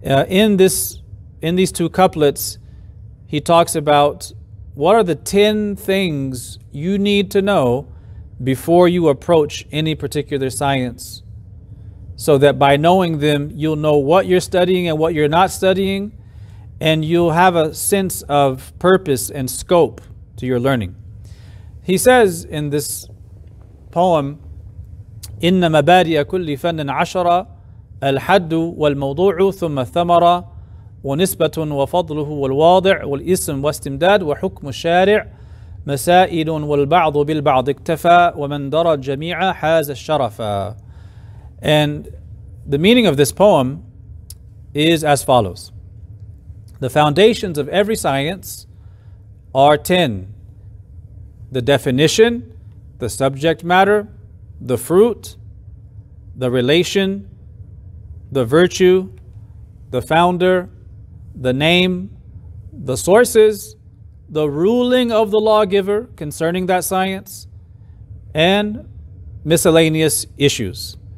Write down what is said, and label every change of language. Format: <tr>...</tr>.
<en>In these two couplets, he talks about what are the 10 things you need to know before you approach any particular science, so that by knowing them, you'll know what you're studying and what you're not studying, and you'll have a sense of purpose and scope to your learning. He says in this poem,</en> <ar>إِنَّ مَبَادِئَ كُلِّ فَنٍ عَشَرَ الْحَدُّ وَالْمَوْضُوعُ ثُمَّ الثَّمَرَ وَنِسْبَةٌ وَفَضْلُهُ وَالْوَاضِعُ وَالْإِسْمُ وَاسْتِمْدَادُ وَحُكْمُ الشَّارِعُ مَسَائِلٌ وَالْبَعْضُ بِالْبَعْضِ اكْتَفَى وَمَنْ دَرَى الْجَمِيعَ حَازَ الشَّرَفَى.</ar> <en>And the meaning of this poem is as follows. The foundations of every science are 10. The definition, the subject matter, the fruit, the relation, the virtue, the founder, the name, the sources, the ruling of the lawgiver concerning that science, and miscellaneous issues.</en>